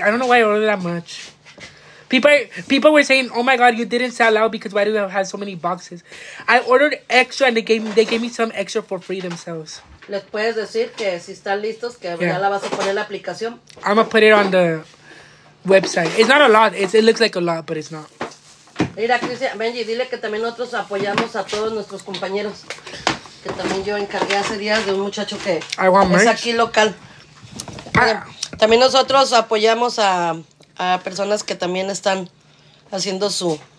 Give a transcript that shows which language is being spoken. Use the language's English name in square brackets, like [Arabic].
[English] I don't know why I ordered that much. People were saying, oh my god, you didn't sell out because why do you have so many boxes? I ordered extra and they gave me some extra for free themselves. [Spanish] Les puedes decir que si están listos, que ya la vas a poner en la aplicación. [English] I'm going to put it on the website. It's not a lot. It looks like a lot, but it's not. [Spanish] Mira, Cristian, Benji, dile que también nosotros apoyamos a todos nuestros compañeros. Que también yo encargué hace días de un muchacho que es aquí local. También nosotros apoyamos a personas que también están haciendo su...